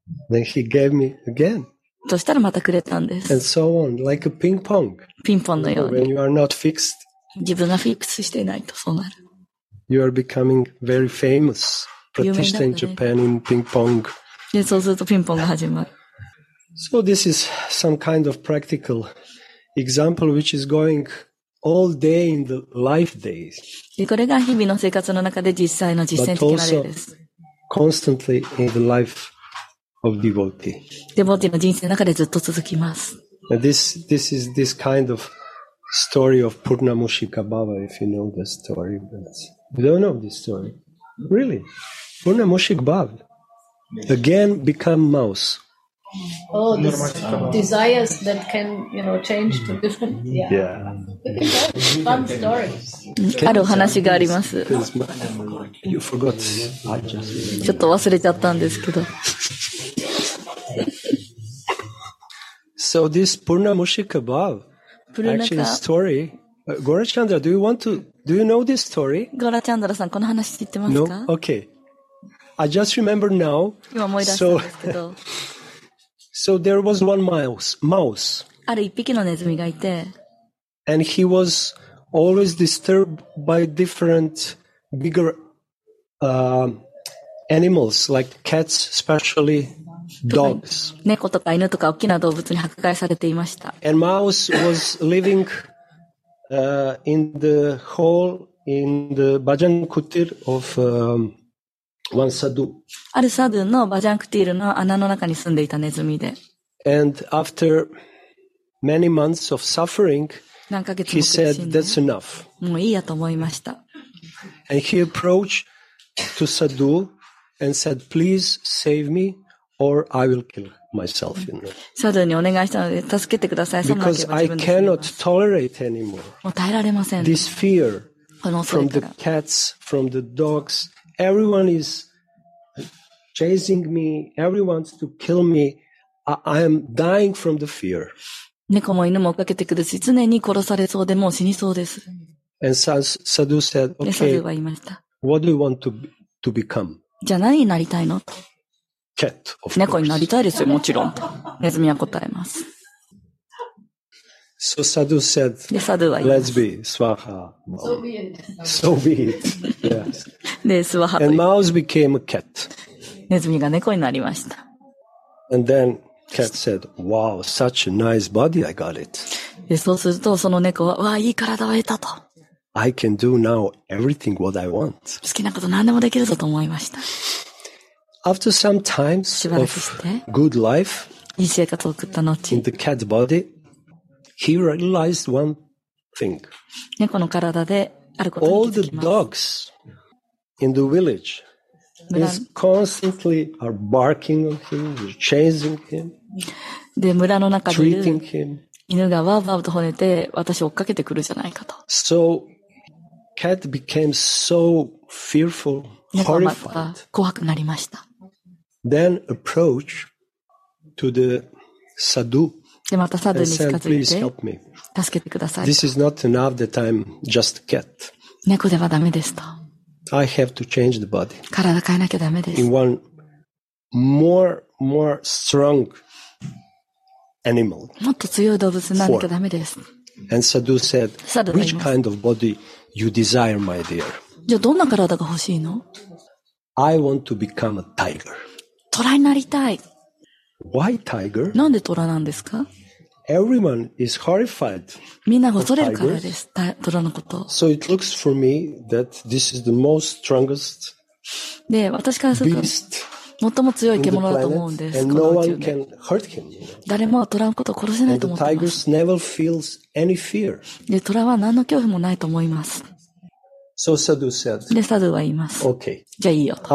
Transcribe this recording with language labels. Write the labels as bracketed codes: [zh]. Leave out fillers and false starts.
[en] Then he gave me again. [ja] そしたらまたくれたんです。 [en] And so on, like a ping pong. [ja] ピンポンのように。 [en] When you are not fixed. [ja] 自分がフィックスしていないとそうなる。 [en] You are becoming very famous. Practiced in Japan in ping pong. [ja] で、そうするとピンポンが始まる。 [en] So this is some kind of practical example which is going all day in the life days. [ja] これが日々の生活の中で実際の実践的な例です。 [en] Constantly in the life of devotee. [ja] Devotee の人生の中でずっと続きます。 [en] This is this kind of story of Purnamushika Baba, if you know the story. You don't know this story? Really? Purnamushika Baba? Again become mouse. Oh, the desires that can, you know, change to different. Yeah. Yeah. Fun story. [ja] あるお話があります。ちょっと忘れちゃったんですけど。 [en] So this Purnamushika Bhav, actually story, Gaurachandra, do you know this story? [ja] Gaurachandra san, この話知ってますか? [en] No? Okay. I just remember now. [ja] 今思い出したんですけど。 [en] So there was one mouse. [ja] ある一匹のネズミがいて。 [en] And he was always disturbed by different bigger, animals, like cats, especially. Dogs. [ja] 猫とか犬とか大きな動物に迫害されていました。 [en] And mouse was living, in the hall in the Bhajan Kutir of, one sadhu. [ja] あるサドゥのバジャンクティールの穴の中に住んでいたネズミで。 [en] And after many months of suffering, he said, "That's enough." [ja] もういいやと思いました。 [en] And he approached to sadhu and said, "Please save me." Or I will kill myself, you know. [ja] サドゥにお願いしたので助けてください。 [en] Because I cannot tolerate anymore. [ja] もう耐えられません。 [en] This fear from the cats, from the dogs, everyone is chasing me. Everyone wants to kill me. I am dying from the fear. [ja] 猫も犬も追っかけてくるし、常に殺されそうでもう死にそうです。 [en] And Sadhu said, "Okay, what do you want to become?" [ja] じゃ何になりたいの？ [en] Cat, of [ja] 猫になりたいですよ、もちろん。ネズミは答えます。 [en] So Sadhu said, [ja] で、サドゥは言います。 [en] Let's be, Swaha. So be it. So be it. Yes. [ja] で、スワハ。 [en] And mouse became a cat. [ja] ネズミが猫になりました。 [en] And then cat said, wow, such a nice body I got it. [ja] で、そうすると、その猫は、わあ、いい体を得たと。 [en] I can do now everything what I want. [ja] 好きなこと何でもできるぞと思いました。 [en] After some times of good life in the cat body, he realized one thing. [ja] 猫の体であることに気づきます。 [en] All the dogs in the village is constantly are barking on him, chasing him, treating him. [ja] 犬がワーワーと吠えて私を追っかけてくるじゃないかと。 [en] So cat became so fearful, horrified. [ja] 猫は怖くなりました。 [en] Then approach to the sadhu. [ja] でまたサドゥに近づいて、 [en] please help me. [ja] 助けてください。 [en] This is not enough that I'm just a cat. [ja] 猫ではダメですと。 [en] I have to change the body. [ja] 体変えなきゃダメです。 [en] In one more strong animal. [ja] もっと強い動物になんなきゃダメです。 [en] And sadhu said, which kind of body you desire, my dear? [ja] じゃあどんな体が欲しいの? [en] I want to become a tiger. [ja] トラになりたい。 [en] Why tiger? [ja] なんでトラなんですか? [en] Everyone is horrified. [ja] みんな恐れるからです。トラのこと。 [en] So it looks for me that this is the most strongest. [ja] で、私からすると最も強い獣だと思うんです。 [en] And no one can hurt him. [ja] 誰もトラのことを殺せないと思う。 [en] And the tigers never feels any fear. [ja] で、トラは何の恐怖もないと思います。 [en] So Sadhu said. [ja] で、サドゥは言います。 [en] Okay. [ja] じゃあいいよと。